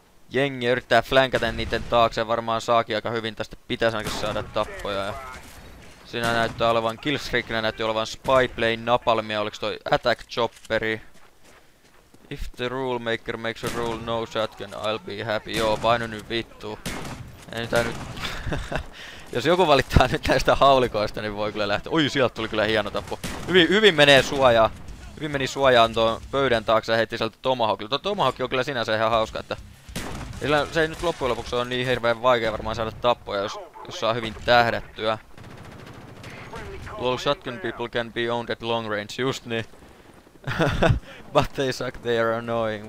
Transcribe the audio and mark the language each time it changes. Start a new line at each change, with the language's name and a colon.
Finnish: Jengi yrittää flänkätä niiden taakse, varmaan saakin aika hyvin tästä, pitäisi ainakin saada tappoja. Ja siinä näyttää olevan killstreakinä, näyttää olevan spyplane napalmia, oliks toi attack chopperi.
English: If the rule maker makes a rule, no shotgun, I'll be happy.
Finnish: Joo, paino nyt vittu. Ei tää nyt. Jos joku valittaa nyt näistä haulikoista, niin voi kyllä lähteä. Oi, sieltä tuli kyllä hieno tappo. Hyvin menee suojaa. Hyvin meni suojaan tuon pöydän taakse ja heitti sieltä Tomahawkilta. Tomahawk on kyllä sinänsä ihan hauska, että se ei nyt loppujen lopuksi ole niin hirveän vaikea varmaan saada tappoja, jos saa hyvin tähdättyä.
English: Lol, shotgun people can be owned at long range, just
Finnish: niin.
English: But they suck, they are annoying.